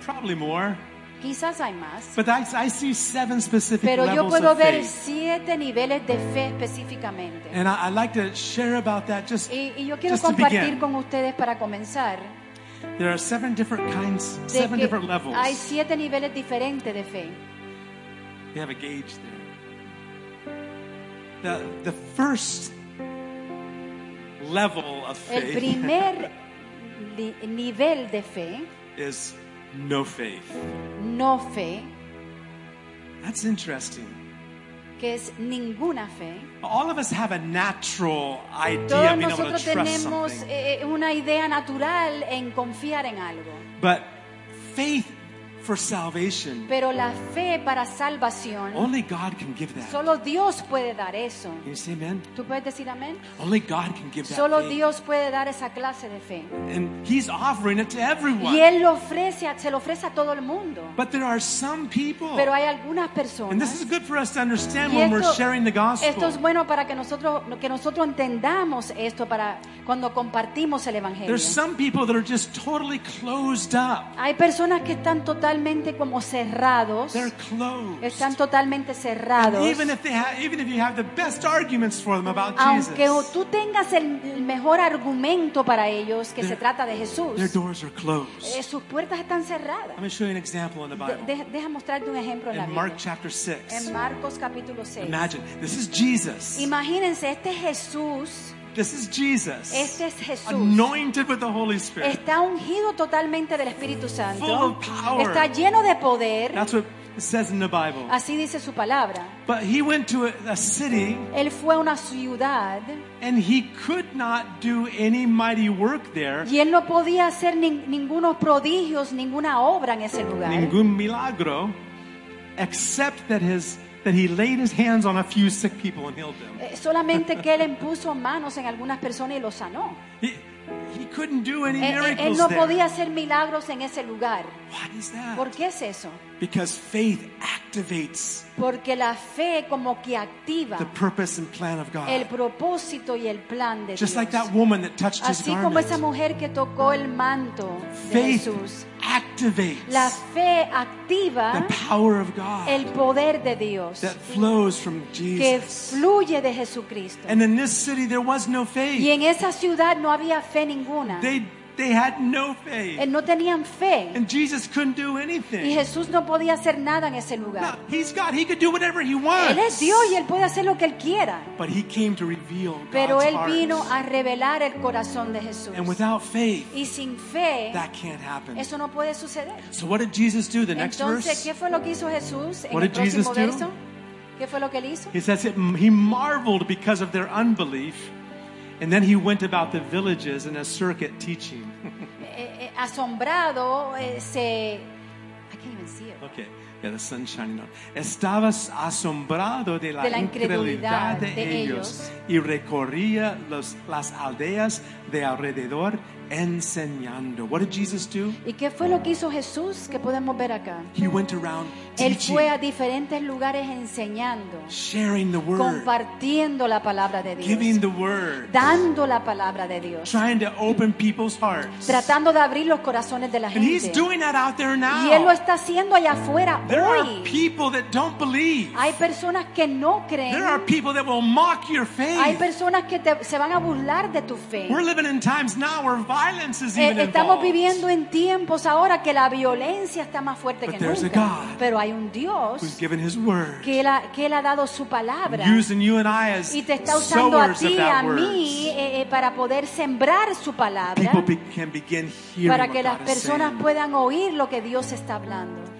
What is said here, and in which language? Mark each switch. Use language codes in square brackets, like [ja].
[en] Probably more. [es] Quizás hay más. [en] But I see seven specific [es] pero [en] levels [es] yo puedo [en] of [es] ver [en] faith. [es] Siete niveles de fe específicamente. [en] And I like to share about that just to begin. [es] Y yo quiero compartir con ustedes para comenzar. [en] There are seven different kinds, seven different levels. [es] Hay siete niveles diferentes de fe. [en] We have a gauge there. The first level of faith. [es] El primer nivel de fe [en] is no faith. [es] No fe. [en] That's interesting. [es] Que es ninguna fe. [en] All of us have a natural idea of being able to trust something. [es] Todos nosotros tenemos una idea natural en confiar en algo. [en] But faith for salvation. [es] Pero la fe para salvación. [en] Only God can give that. [es] Solo Dios puede dar eso. [en] Can you say amen? [es] ¿Tú puedes decir amén? [en] Only God can give that. [es] Solo [en] faith. [es] Dios puede dar esa clase de fe. [en] And He's offering it to everyone. [es] Y él se lo ofrece a todo el mundo. [en] But there are some people. [es] Pero hay algunas personas. [en] And this is good for us to understand when we're sharing the gospel. [es] Esto es bueno para que nosotros entendamos esto para cuando compartimos el evangelio. [en] There's some people that are just totally closed up. [es] Hay personas que están totalmente como cerrados. [en] They're closed. [es] Están totalmente cerrados. [en] Even if you have the best arguments for them about Jesus. [es] Aunque tú tengas el mejor argumento para ellos que se trata de Jesús. [en] Their doors are closed. [es] Sus puertas están cerradas. [en] I'm going to show you an example in the Bible. [es] Deja mostrarte un ejemplo en la Biblia. [en] Mark chapter 6. [es] En Marcos capítulo 6. [en] Imagine, this is Jesus. [es] Imagínense, este es Jesús. [en] This is Jesus. [es] Este es Jesús. [en] Anointed with the Holy Spirit. [es] Está ungido totalmente del Espíritu Santo. [en] Full of power. [es] Está lleno de poder. [en] That's what it says in the Bible. [es] Así dice su palabra. [en] But he went to a city. [es] Él fue a una ciudad. [en] And he could not do any mighty work there. [es] Y él no podía hacer ningunos prodigios, ninguna obra en ese lugar. Ningún milagro, [en] except that he laid his hands on a few sick people and healed them. [es] Solamente que él impuso manos en algunas personas y los sanó. [en] He couldn't do any miracles there. [es] Él no podía hacer milagros en ese lugar. [en] Why is that? [es] ¿Por qué es eso? [en] Because faith activates. [es] Porque la fe como que activa [en] the purpose and plan of God. [es] El propósito y el plan de Dios. [en] Just like that woman that touched his garment. [es] Así como esa mujer que tocó el manto de Jesús. [en] Activates [es] la fe activa [en] the power of God [es] el poder de Dios [en] that flows from Jesus [es] que fluye de Jesucristo. [en] And in this city there was no faith. [es] Y en esa ciudad no había fe ninguna. [en] They had no faith. [es] No tenían fe. [en] And Jesus couldn't do anything. [es] Y Jesús no podía hacer nada en ese lugar. [en] Now, he's God. He could do whatever he wants. [es] Él es Dios y él puede hacer lo que él quiera. [en] But he came to reveal God's [es] pero él vino [en] heart. [es] A revelar el corazón de Jesús. [en] And without faith, [es] y sin fe, [en] that can't happen. [es] Eso no puede suceder. [en] So what did Jesus do? The [es] entonces, [en] next verse. [es] Entonces, ¿qué fue lo que hizo Jesús en [en] what [es] el [en] did Jesus [es] próximo [en] do? [es] Verso? ¿Qué fue lo que él hizo? [en] He says he marveled because of their unbelief. And then he went about the villages in a circuit teaching. [es] Asombrado, se... [en] I can't even see it. Okay, yeah, the sun's shining on. [es] Estabas asombrado de la incredulidad de ellos. Y recorría las aldeas de alrededor enseñando. [en] What did Jesus do? [es] ¿Y qué fue lo que hizo Jesús que podemos ver acá? [en] He went around teaching. [es] Él fue a diferentes lugares enseñando. [en] Sharing the word. [es] Compartiendo la palabra de Dios. [en] Giving the word. [es] Dando la palabra de Dios. [en] Trying to open people's hearts. [es] Tratando de abrir los corazones de la gente. [en] And he's doing that out there now. [es] Y él lo está haciendo allá afuera [en] there [es] hoy. [en] There are people that don't believe. [es] Hay personas que no creen. [en] There are people that will mock your faith. [es] Hay personas que se van a burlar de tu fe. [en] We're living in times now where [es] estamos viviendo en tiempos ahora que la violencia está más fuerte que nunca, pero hay un Dios que Él ha dado su palabra y te está usando a ti y a mí para poder sembrar su palabra, para que las personas puedan oír lo que Dios está hablando.